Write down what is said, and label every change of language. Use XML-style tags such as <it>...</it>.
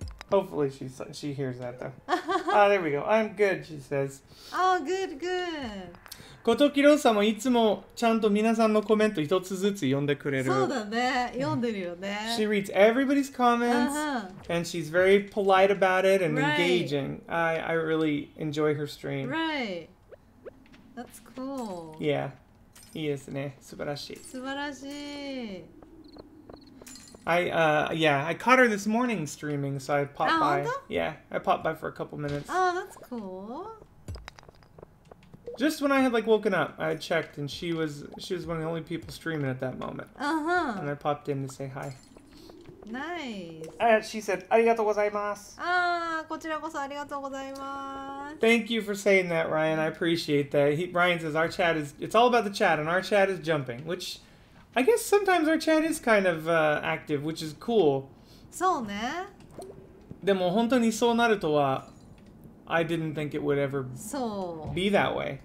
<en>Hopefully she hears that though. Ah, there we go. I'm good, she says. Oh, good, good.</en> <ja>コトキローさんもいつもちゃんと皆さんのコメント一つずつ読んでくれる。そうだね。読んでるよね。</ja> <en>She reads everybody's comments, and she's very polite about it and engaging. I really enjoy her stream. Right. That's cool. Yeah.</en> <ja>いいですね。素晴らしい。素晴らしい。</ja> <en>I caught her this morning streaming, so I popped by. Yeah, I popped by for a couple minutes. Oh, that's cool. Just when I had like woken up, I had checked, and she was one of the only people streaming at that moment. Uh-huh. And I popped in to say hi. Nice. She said,</en> <ja>ありがとうございます。こちらこそありがとうございます。</ja> <en>Thank you for saying that, Ryan. I appreciate that. Ryan says, our chat is, it's all about the chat, and our chat is jumping, which... I guess sometimes our chat is kind of active, which is cool.</en> <ja>そうね。でも本当にそうなるとは、</ja> <en>I didn't think it would ever be that way.</en>